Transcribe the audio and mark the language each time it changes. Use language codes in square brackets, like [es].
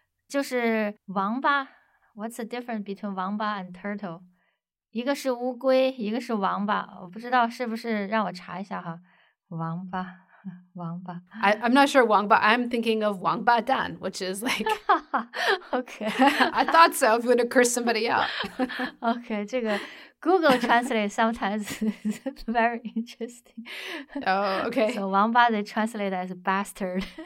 [zh] 就是 [en] 王八, what's the difference between 王八 and turtle? [zh] 一个是乌龟,一个是王八,我不知道是不是,让我查一下哈,王八。 [en] I'm not sure Wang Ba. I'm thinking of Wang Ba Dan, which is like. okay. I thought so. If you would have cursed somebody out. okay. This Google Translate sometimes is very interesting. Oh, okay. So Wang Ba, they translate as bastard.